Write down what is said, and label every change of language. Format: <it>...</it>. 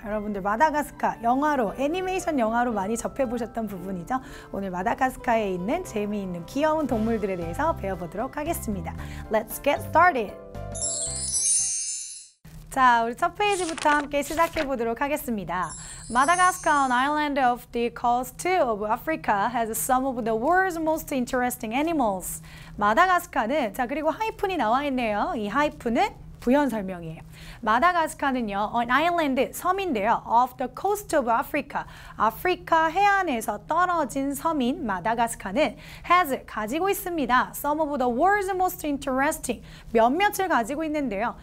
<ko>여러분들 마다가스카 영화로, 애니메이션 영화로 많이 접해보셨던 부분이죠. 오늘 마다가스카에 있는 재미있는 귀여운 동물들에 대해서 배워보도록 하겠습니다.</ko> <en>Let's get started!</en> <ko>자, 우리 첫 페이지부터 함께 시작해 보도록 하겠습니다.</ko> <en>Madagascar, an island off the coast of Africa, has some of the world's most interesting animals.</en> <ko>마다가스카는, 자, 그리고 하이픈이 나와 있네요. 이 하이픈은 부연 설명이에요. 마다가스카는요,</ko> <en>an island,</en> <ko>섬인데요.</ko> <en>off the coast of Africa,</en> <ko>아프리카 해안에서 떨어진 섬인 마다가스카는 has, 가지고 있습니다.</ko> <en>some of the world's most interesting,</en> <ko>몇몇을 가지고 있는데요.</ko>